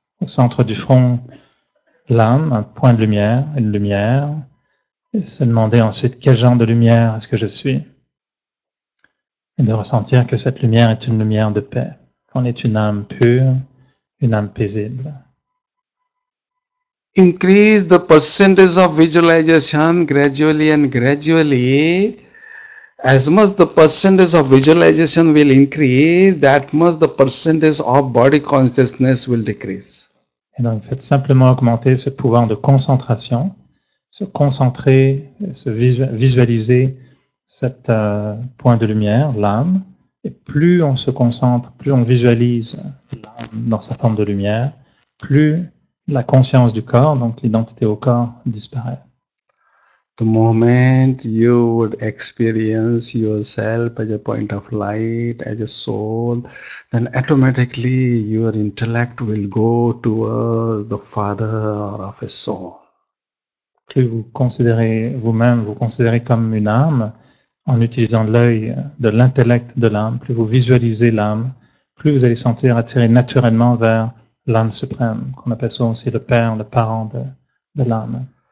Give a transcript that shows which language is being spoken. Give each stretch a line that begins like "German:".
French: Au centre du front, l'âme, un point de lumière, une lumière, et se demander ensuite quel genre de lumière est-ce que je suis, et de ressentir que cette lumière est une lumière de paix, qu'on est une âme pure, une âme paisible.
English: Increase the percentage of visualization gradually and gradually. As much the percentage of visualization will increase, that much the percentage of body consciousness will decrease.
French: Et donc, faites simplement augmenter ce pouvoir de concentration, se concentrer, se visualiser cet point de lumière, l'âme. Et plus on se concentre, plus on visualise l'âme dans sa forme de lumière, plus la conscience du corps, donc l'identité au corps, disparaît.
English: The moment you would experience yourself as a point of light, as a soul, then automatically your intellect will go towards the father of a soul.
French: Plus vous considérez vous-même, vous considérez comme une âme, en utilisant l'œil de l'intellect de l'âme, plus vous visualisez l'âme, plus vous allez sentir attiré naturellement vers l'âme suprême, qu'on appelle ça aussi le père, le parent de l'âme.